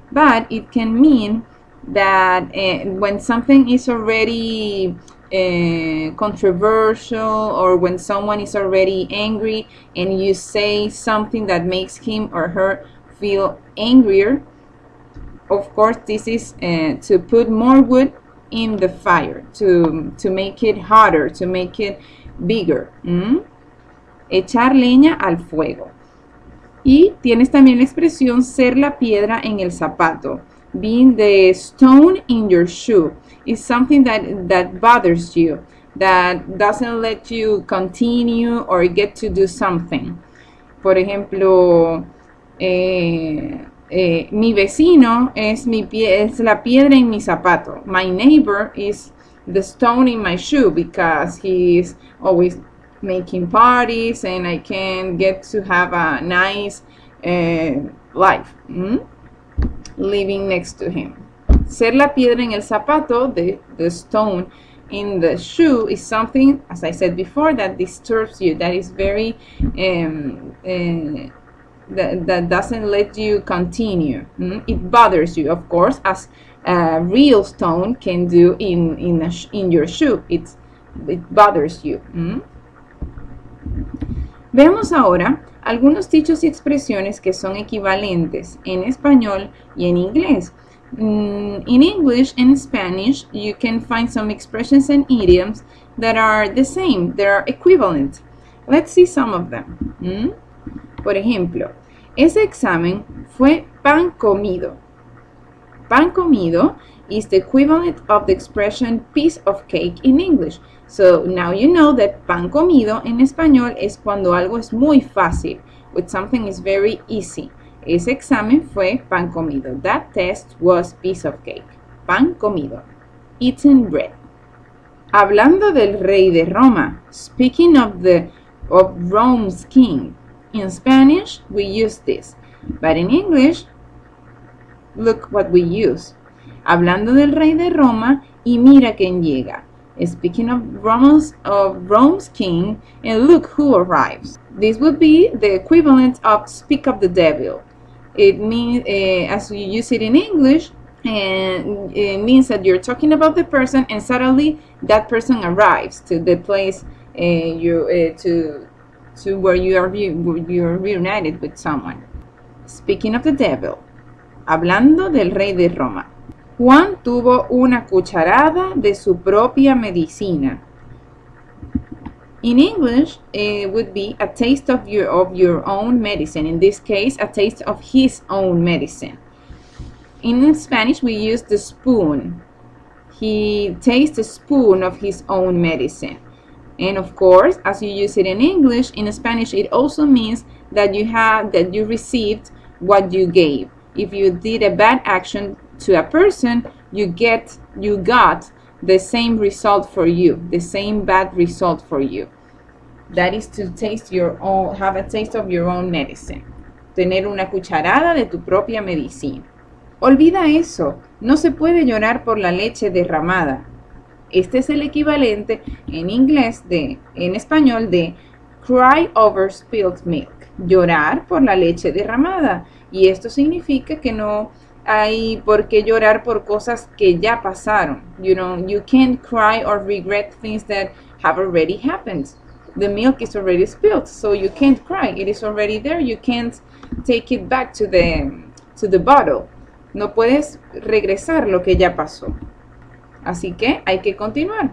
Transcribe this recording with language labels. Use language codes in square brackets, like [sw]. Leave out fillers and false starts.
[en] But it can mean that when something is already controversial, or when someone is already angry and you say something that makes him or her feel angrier, of course this is to put more wood in the fire, to make it hotter, to make it bigger. [es] Echar leña al fuego. Y tienes también la expresión ser la piedra en el zapato. [en] Being the stone in your shoe is something that bothers you. that doesn't let you continue or get to do something. [es] Por ejemplo, mi vecino es es la piedra en mi zapato. [en] My neighbor is the stone in my shoe because he's always making parties and I can't get to have a nice life. Living next to him. Ser la piedra en el zapato, the stone in the shoe, is something, as I said before, that disturbs you, that is very, that doesn't let you continue. It bothers you, of course, as a real stone can do in your shoe. It bothers you. [es] Veamos ahora algunos dichos y expresiones que son equivalentes en español y en inglés. [en] In English and Spanish, you can find some expressions and idioms that are the same, they are equivalent. [es] Let's see some of them. Por ejemplo, ese examen fue pan comido. [en] Pan comido is the equivalent of the expression piece of cake in English. So now you know that pan comido en español es cuando algo es muy fácil, when something is very easy. Ese examen fue pan comido. That test was piece of cake. Pan comido. Eaten bread. [es] Hablando del rey de Roma. Speaking of Rome's king. [en] In Spanish, we use this. But in English, look what we use. [es] Hablando del rey de Roma y mira quién llega. [en] Speaking of Rome's king, and look who arrives. This would be the equivalent of speak of the devil. It means, as you use it in English, and it means that you're talking about the person, and suddenly that person arrives to the place to where you're reunited with someone. [es] Speaking of the devil, hablando del rey de Roma. Juan tuvo una cucharada de su propia medicina. [en] In English, it would be a taste of your own medicine. In this case, a taste of his own medicine. In Spanish, we use the spoon. He tastes a spoon of his own medicine. And of course, as you use it in English, in Spanish, it also means that that you received what you gave. If you did a bad action to a person, you got the same result for you, the same bad result for you. That is to taste your own, have a taste of your own medicine. [es] Tener una cucharada de tu propia medicina. Olvida eso, no se puede llorar por la leche derramada. Este es el equivalente en inglés en español de cry over spilled milk. Llorar por la leche derramada. Y esto significa que no hay por qué llorar por cosas que ya pasaron. [en] You know, you can't cry or regret things that have already happened. The milk is already spilled, so you can't cry. It is already there. You can't take it back to the bottle. [es] No puedes regresar lo que ya pasó. Así que hay que continuar.